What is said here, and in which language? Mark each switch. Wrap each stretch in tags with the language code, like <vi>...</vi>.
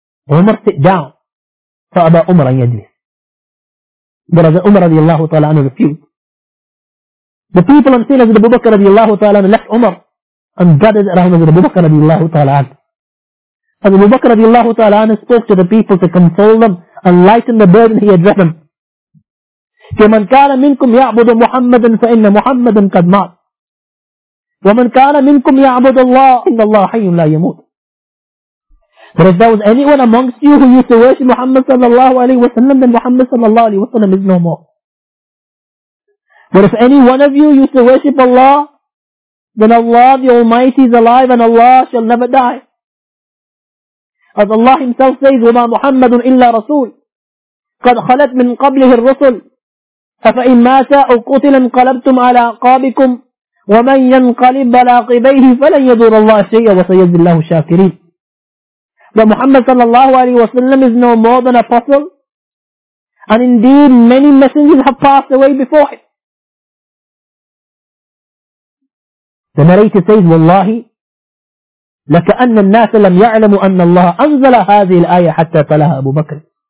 <en>Umar, sit down.</en> <ar>Fa aba Umar an yajlis.</ar> <en>But Hazrat Umar radiallahu ta'ala anhu refused. The people on scene, Hazrat Abu Bakr radiallahu ta'ala anhu left Umar and gathered around Hazrat Abu Bakr radiallahu ta'ala anhu. Hazrat Abu Bakr radiallahu ta'ala anhu spoke to the people to console them and lighten the burden he had driven.</en> <ar>فمن كان منكم يعبد محمدا فإن محمدا قد مات ومن كان منكم يعبد الله إن الله حي لا يموت.</ar> <en>But if there was anyone amongst you who used to worship Muhammad صلى الله عليه وسلم, then Muhammad صلى الله عليه وسلم is no more. But if any one of you used to worship Allah, then Allah the Almighty is alive and Allah shall never die. As Allah himself says,</en> <ar>وما محمد إلا رسول قد خلت من قبله الرسل فَإِنْ مَاتَ أَوْ قُتِلَ انْقَلَبْتُمْ عَلَىٰ أَعْقَابِكُمْ وَمَنْ يَنْقَلِبْ عَلَىٰ عَقِبَيْهِ فَلَنْ يَضُرَّ اللَّهَ شَيْئًا وَسَيَجْزِي اللَّهُ الشَّاكِرِينَ.</ar> <en>But Muhammad sallallahu alayhi wa sallam is no more than a apostle, and indeed many messengers have passed away before him. The narrator says,</en> <ar>وَاللَّهِ لَكَأَنَّ النَّاسَ لَمْ يَعْلَمُ أَنَّ اللَّهَ أَنزَلَ هَذِهِ الْآيَةَ حَتَّى تَلَاهَا أَبُو بَكْرٍ.</ar>